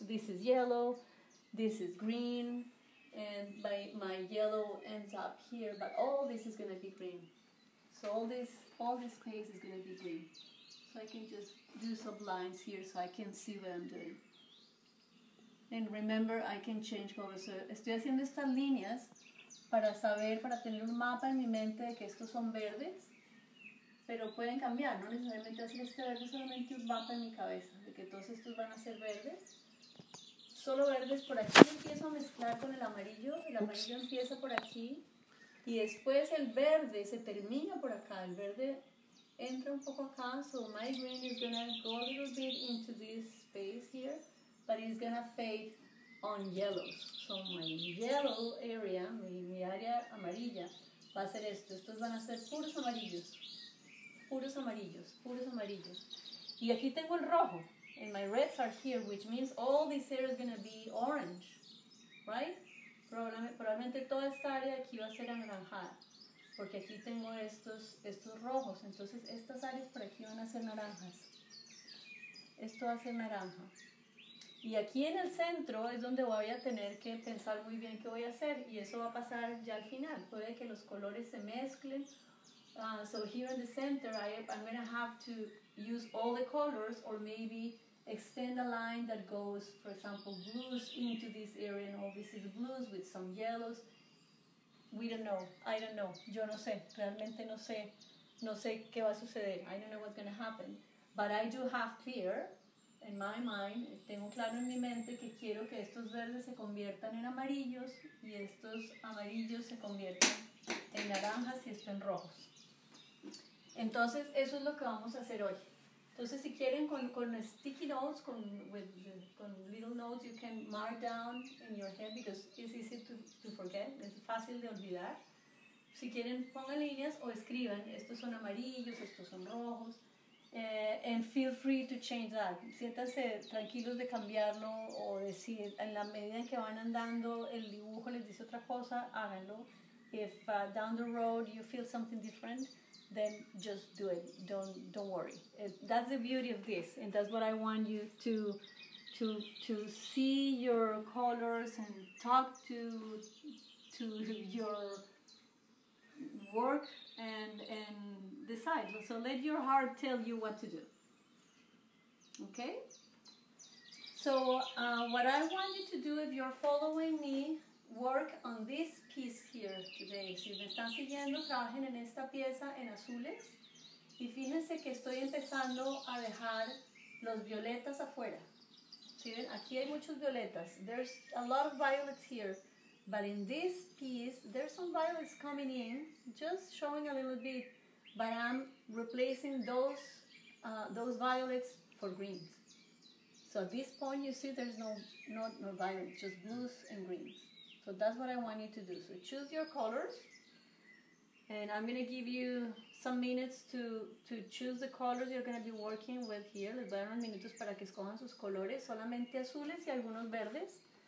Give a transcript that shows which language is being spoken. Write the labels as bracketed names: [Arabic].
[English] This is yellow, this is green, and my yellow ends up here, but all this is going to be green. So all this space is going to be green. So I can just do some lines here so I can see what I'm doing. And remember, I can change colors. [Spanish] So estoy haciendo estas líneas para saber, para tener un mapa en mi mente de que estos son verdes, pero pueden cambiar, no necesariamente hacer este verde, solamente un mapa en mi cabeza, de que todos estos van a ser verdes. Solo verdes por aquí, empiezo a mezclar con el amarillo empieza por aquí, y después el verde se termina por acá, el verde entra un poco acá, [English] so my green is going to go a little bit into this space here, but it's going to fade on yellow. So my yellow area, [Spanish] mi área amarilla, va a ser esto. Estos van a ser puros amarillos. Puros amarillos, puros amarillos. Y aquí tengo el rojo. [English] And my reds are here, which means all this area is going to be orange. Right? [Spanish] Probablemente toda esta área aquí va a ser anaranjada. Porque aquí tengo estos rojos. Entonces estas áreas por aquí van a ser naranjas. Esto va a ser naranja. Y aquí en el centro es donde voy a tener que pensar muy bien qué voy a hacer. Y eso va a pasar ya al final. Puede que los colores se mezclen. [English] So here in the center, I'm going to have to use all the colors or maybe extend a line that goes, for example, blues into this area and all this is blues with some yellows. We don't know. I don't know. [Spanish] Yo no sé. Realmente no sé. No sé qué va a suceder. [English] I don't know what's going to happen. But I do have clear in my mind, [Spanish] tengo claro en mi mente que quiero que estos verdes se conviertan en amarillos y estos amarillos se conviertan en naranjas y esto en rojos. Entonces, eso es lo que vamos a hacer hoy. Entonces, si quieren [English] con sticky notes, con little notes, you can mark down in your head because it's easy to forget, [Spanish] es fácil de olvidar. Si quieren, pongan líneas o escriban, estos son amarillos, estos son rojos. [English] And feel free to change that. [Spanish] Siéntanse tranquilos de cambiarlo o decir, en la medida en que van andando, el dibujo les dice otra cosa, háganlo. [English] If down the road you feel something different, then just do it. Don't worry. That's the beauty of this, and that's what I want you to see your colors and talk to your work and decide. So let your heart tell you what to do. Okay? So what I want you to do, if you're following me, work on this piece here today. [Spanish] Si me están siguiendo, trabajen en esta pieza en azules. Y fíjense que estoy empezando a dejar los violetas afuera. ¿Sí ven? Aquí hay muchos violetas. [English] There's a lot of violets here. But in this piece, there's some violets coming in, just showing a little bit. But I'm replacing those violets for greens. So at this point, you see there's no violets, just blues and greens. So that's what I want you to do. So choose your colors. And I'm going to give you some minutes to choose the colors you're going to be working with here. [Spanish] Les voy a dar unos minutos para que escojan sus colores, solamente azules y algunos verdes.